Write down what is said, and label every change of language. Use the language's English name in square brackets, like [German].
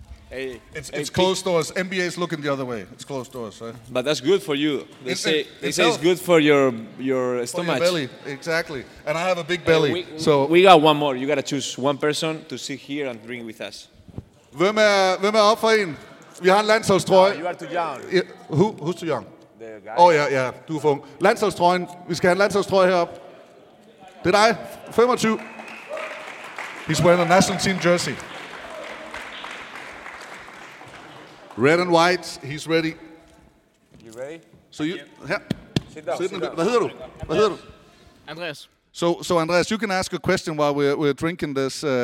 [English] Hey. It's closed doors. NBA is looking the other way. It's closed doors, right? But that's good for you. They say it's good for your stomach. For your belly, exactly. And I have a big belly. We got one more. You got to choose one person to sit here and drink with us. [Danish] Hvem er op for en? Vi har en landsholdstrøje. [English] You are too young. Yeah. Who's too young? The guy. Oh, yeah. [Danish] Du er for ung. Landsholdstrøjen. Vi skal have en landsholdstrøje herop. Det er dig. 25. [English] He's wearing a national team jersey. Red and white, he's ready. You ready? So you, yeah. Sit down. What's your name? Andreas. So Andreas, you can ask a question while we're drinking this.